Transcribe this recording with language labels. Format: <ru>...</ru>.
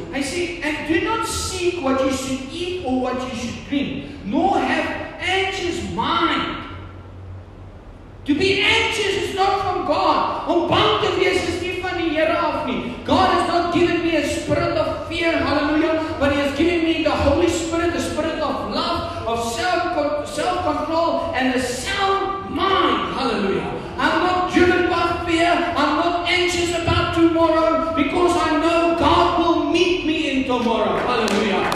<af>Hy sê,</af> <en>and do not seek what you should eat or what you should drink, nor have anxious mind. To be anxious is not from God.</en> <af>Om bang te wees is nie van die Here af nie.</af> <en>God has not given me a spirit of fear, hallelujah, but He has given me the Holy Spirit, the spirit of love, of self-control, and a sound mind, hallelujah. I'm not driven by fear, I'm not anxious about tomorrow, because I know God will meet me in tomorrow, hallelujah.</en>